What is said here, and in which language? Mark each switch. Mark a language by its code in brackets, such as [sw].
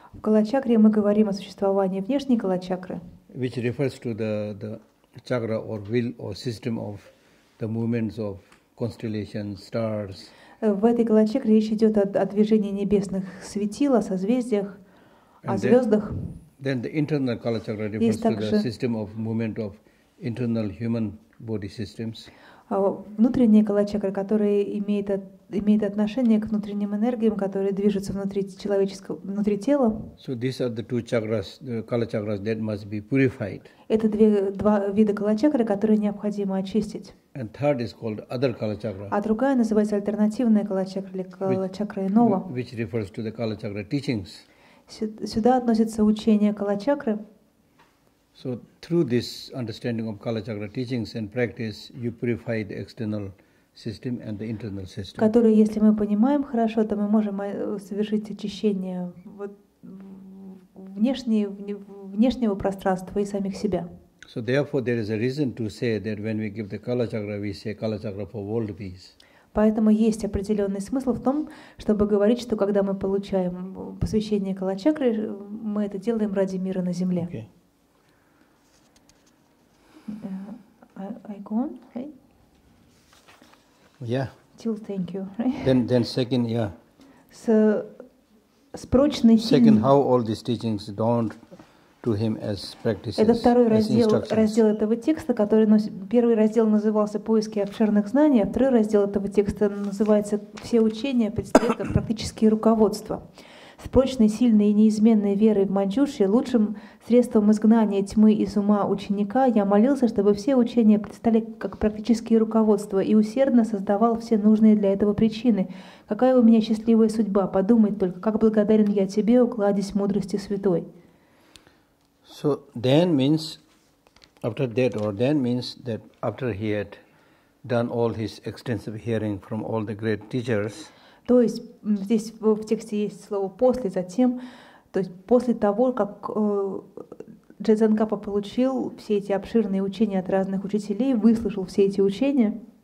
[ru] В Кала чакре мы говорим о существовании внешней Кала чакры. [en] Which refers to the chakra or will or system of the movements of constellations, stars. [ru] В этой калачакре речь идет о движении небесных светил, о созвездиях, о звездах. [en] Then the internal калачакра refers to the system of movement of internal human body systems. [ru] Внутренняя калачакра, которая имеет отношение к внутренним энергиям, которые движутся внутри человеческого, внутри тела. [en] So these are the two chakras, the калачакрас that must be purified. [ru] Это два вида калачакры, которые необходимо очистить. [en] And third is called other Kala chakra. [ru] А другая называется альтернативная Kala chakra или Kala chakra иного. [en] Which refers to the Kala chakra teachings. [ru] Сюда относится учение Kala chakra. [en] So through this understanding of Kala chakra teachings and practice, you purify the external system and the internal system. [ru] Которые, если мы понимаем хорошо, то мы можем совершить очищение вот внешнего пространства и самих себя. [en] So therefore, there is a reason to say that when we give the Kala chakra, we say Kala chakra for world peace. [ru] Поэтому есть определенный смысл в том, чтобы говорить, что когда мы получаем посвящение Кала чакры, мы это делаем ради мира на земле. [en] Okay. I go on, right? Yeah. Till thank you. Right? Then second, yeah. [ru] С прочной силой. [en] Second, how all these teachings don't. To him as practices, [ru] это второй раздел этого текста, который первый раздел назывался «Поиски обширных знаний», а второй раздел этого текста называется «Все учения представляют как практические руководства». С прочной, сильной и неизменной верой в Маньчжурии лучшим средством изгнания тьмы из ума ученика я молился, чтобы все учения предстали как практические руководства и усердно создавал все нужные для этого причины. Какая у меня счастливая судьба, подумать только, как благодарен я тебе, укладись мудрости святой. [en] So then means after that, or then means that after he had done all his extensive hearing from all the great teachers. [ru] То есть здесь в тексте есть слово после, затем, то есть после того, как Джадзан Капа получил все эти обширные учения от разных учителей, выслушал все эти учения.